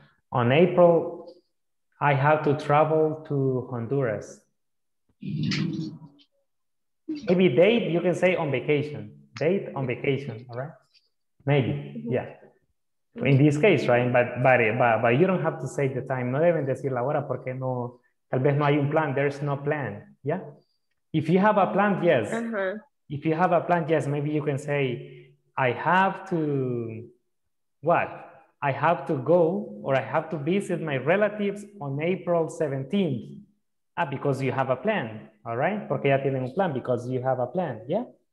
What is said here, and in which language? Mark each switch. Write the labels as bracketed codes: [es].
[en] On April, I have to travel to Honduras. Maybe date, you can say on vacation. Date on vacation, all right? Maybe, yeah. In this case, right? But you don't have to say the time. [es] No deben decir la hora porque no, tal vez no hay un plan. [en] There's no plan. Yeah. If you have a plan, yes. Uh-huh. If you have a plan, yes. Maybe you can say, I have to, what? I have to go or I have to visit my relatives on April 17th. Ah, because you have a plan. All right. [es] Porque ya tienen un plan [en] because you have a plan. Yeah.